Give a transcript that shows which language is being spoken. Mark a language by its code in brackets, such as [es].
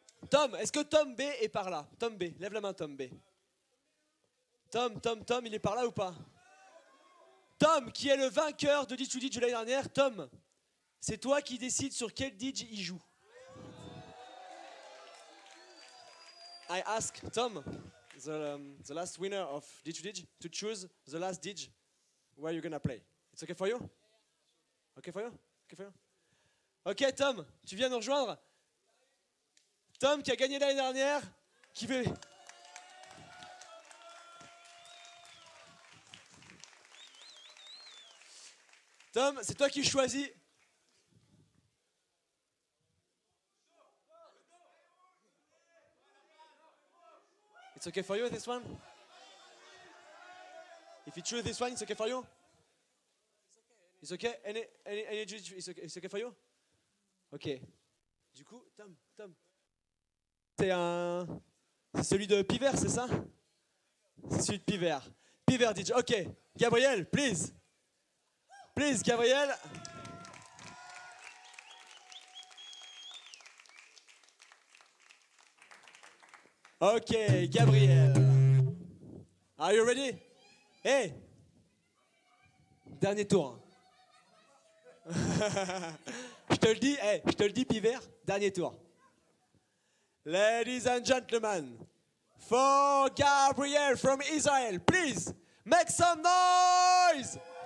[fr] Tom, est-ce que Tom B est par là? Tom B, lève la main, Tom B. Tom, il est par là ou pas? Tom, qui est le vainqueur de Ditch to Ditch de l'année dernière, Tom, c'est toi qui décides sur quel Ditch il joue. [en] I ask Tom, the last winner of Ditch to Ditch, to choose the last Ditch where you're gonna play. It's okay for you? Okay for you? Okay for you? [fr] Ok, Tom, tu viens nous rejoindre? Tom qui a gagné l'année dernière, qui veut. Tom, c'est toi qui choisis. [en] It's okay for you this one? If you choose this one, it's okay for you? It's okay? Any judge, it's okay for you? [fr] Ok. Du coup, Tom. C'est celui de Pivert, c'est ça? C'est celui de Pivert. Pivert DJ. Ok. Gabriel, [en] please. Please, [fr] Gabriel. [en] Ok, Gabriel. Are you ready? Hey. [fr] Dernier tour. Je te le dis, Pivert, dernier tour. [en] Ladies and gentlemen, for Gabriel from Israel, please make some noise!